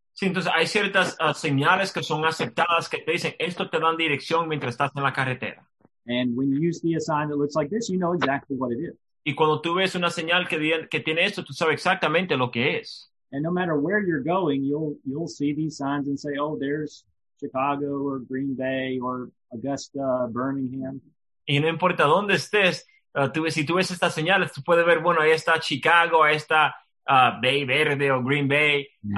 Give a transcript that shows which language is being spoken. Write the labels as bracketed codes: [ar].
[es] Sí, entonces hay ciertas señales que son aceptadas, que te dicen esto te dan dirección mientras estás en la carretera. [en] And when you see a sign that looks like this, you know exactly what it is. [es] Y cuando tú ves una señal que tiene esto, tú sabes exactamente lo que es. [en] And no matter where you're going, you'll see these signs and say, oh, there's Chicago or Green Bay or Augusta, Birmingham. [es] Y no importa dónde estés, si tú ves estas señales, tú puedes ver, bueno, ahí está Chicago, ahí está Bay Verde o Green Bay, mm-hmm.